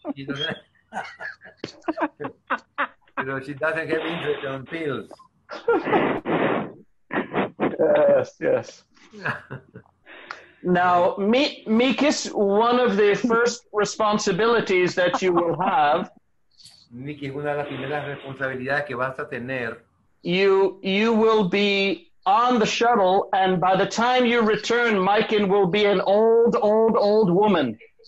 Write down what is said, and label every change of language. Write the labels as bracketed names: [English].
[English] You know, she doesn't have interest on pills. Yes. Now, Mikis, one of the first responsibilities that you will have. [Spanish] Mikis, una de las primeras responsabilidades que vas a tener. [English] You will be on the shuttle, and by the time you return, Mikin will be an old woman.